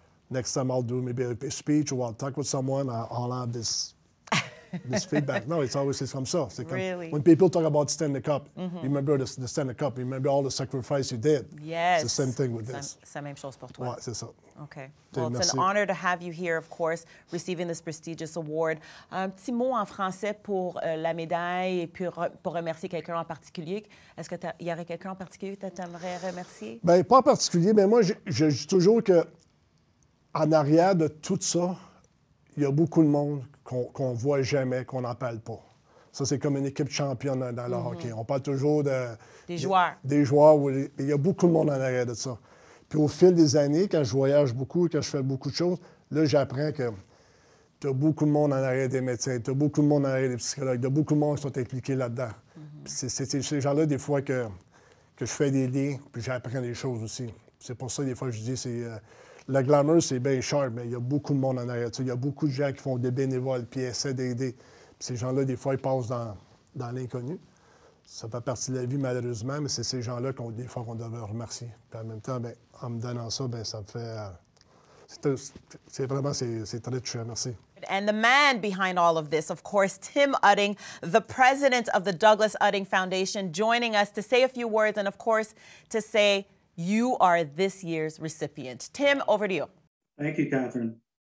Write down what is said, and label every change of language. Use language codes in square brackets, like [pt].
[en] Next time I'll do maybe a speech or I'll talk with someone, I'll have this feedback. No, it's always [fr] comme ça. [en] Really? [fr] Comme, [en] when people talk about Stanley Cup, mm-hmm. you remember the Stanley Cup, you remember all the sacrifice you did. Yes. It's the same thing with this. [fr] C'est la même chose pour toi. Ouais, c'est ça. [en] Okay. Well, [fr] merci. [en] It's an honor to have you here, of course, receiving this prestigious award. [fr] Un petit mot en français pour la médaille et pour remercier quelqu'un en particulier. Est-ce qu'il y aurait quelqu'un en particulier que tu aimerais remercier? Bien, pas en particulier, mais moi, je dis toujours que... En arrière de tout ça, il y a beaucoup de monde qu'on ne voit jamais, qu'on n'en parle pas. Ça, c'est comme une équipe championne dans le mm-hmm. hockey. On parle toujours de... Des joueurs. Il y a beaucoup de monde en arrière de ça. Puis au fil des années, quand je voyage beaucoup, quand je fais beaucoup de choses, là, j'apprends que tu as beaucoup de monde en arrière des médecins, tu as beaucoup de monde en arrière des psychologues, tu as beaucoup de monde qui sont impliqués là-dedans. Mm-hmm. Puis c'est ces gens-là, des fois, que je fais des liens, puis j'apprends des choses aussi. C'est pour ça, des fois, je dis, c'est... Le glamour, c'est bien cher, mais il y a beaucoup de monde en arrière. Il y a beaucoup de gens qui font des bénévoles puis essaient d'aider. Puis ces gens-là, des fois, ils passent dans l'inconnu. Ça fait partie de la vie, malheureusement, mais c'est ces gens-là qu'on devrait remercier. Puis en même temps, bien, en me donnant ça, bien, ça me fait... C'est très touchant. Merci. [en] And the man behind all of this, of course, Tim Utting, the president of the Douglas Utting Foundation, joining us to say a few words and, of course, to say... You are this year's recipient. Tim, over to you. Thank you, Catherine.